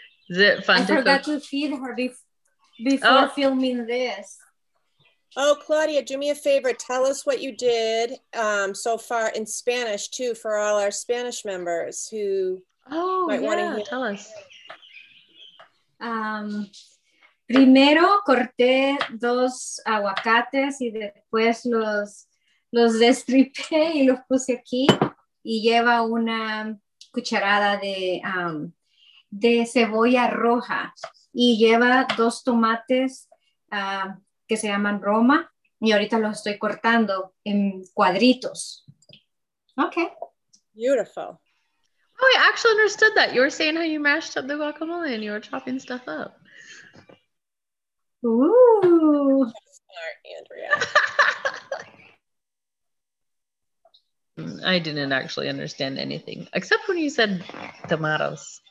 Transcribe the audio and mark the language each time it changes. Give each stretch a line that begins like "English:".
English: Is it fun to cook? I forgot to feed her before filming this. Oh, Claudia, do me a favor. Tell us what you did so far in Spanish, too, for all our Spanish members who Want to hear. Tell us.
Spanish: Primero corté dos aguacates y después los destripé y los puse aquí y lleva una cucharada de cebolla roja y lleva dos tomates que se llaman Roma y ahorita los estoy cortando en cuadritos.
English: Okay. Beautiful. Oh, I actually understood that. You were saying how you mashed up the guacamole and you were chopping stuff up. Ooh. Smart, Andrea. I didn't actually understand anything except when you said tomatoes.